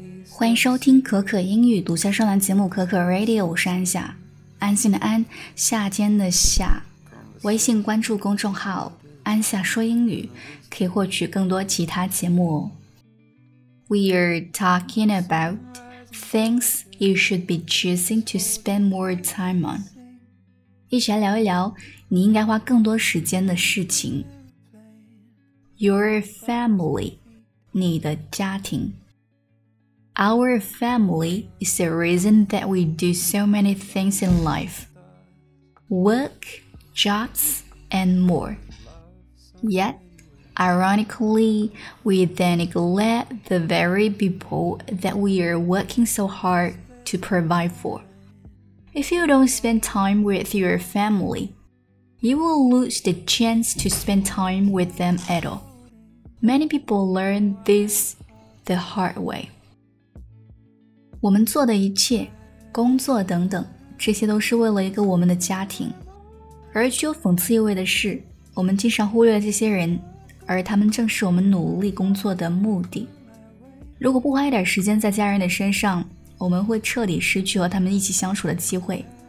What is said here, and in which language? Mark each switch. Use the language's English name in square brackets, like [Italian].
[Chinese] 欢迎收听可可英语独家专栏节目可可 Radio， 我是安夏，安心的安，夏天的夏。微信关注公众号安夏说英语，可以获取更多其他节目哦。 [English] We are talking about things you should be choosing to spend more time on. [Chinese] 一起来聊一聊你应该花更多时间的事情。 [English] Your family, [Chinese] 你的家庭。 [English] Our family is the reason that we do so many things in life. Work, jobs, and more. Yet,Ironically, we then neglect the very people that we are working so hard to provide for. If you don't spend time with your family, you will lose the chance to spend time with them at all. Many people learn this the hard way. [Chinese] 我们做的一切，工作等等，这些都是为了一个我们的家庭。而具有讽刺意味的是，我们经常忽略了这些人。而他们正是我们努力工作的目的。如果不花一点时间在家人的身上，我们会彻底失去和他们一起相处的机会。